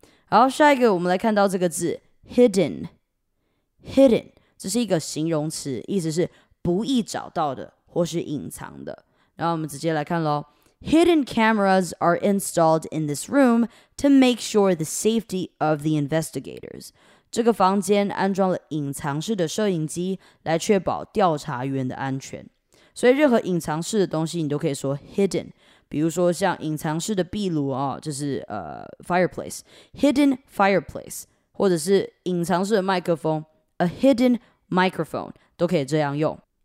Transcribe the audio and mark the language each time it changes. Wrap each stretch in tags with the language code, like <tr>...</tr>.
<zh>好，下一个我们来看到这个字 hidden， 这是一个形容词，意思是不易找到的或是隐藏的。然后我们直接来看咯，</zh> <en>Hidden cameras are installed in this room to make sure the safety of the investigators.</en> <zh>这个房间安装了隐藏式的摄影机来确保调查员的安全。所以任何隐藏式的东西你都可以说 hidden， 比如说像隐藏式的壁炉哦，就是fireplace，</zh> <en>hidden fireplace，</en> <zh>或者是隐藏式的麦克风，</zh> <en>a hidden microphone，</en> <zh>都可以这样用。</zh>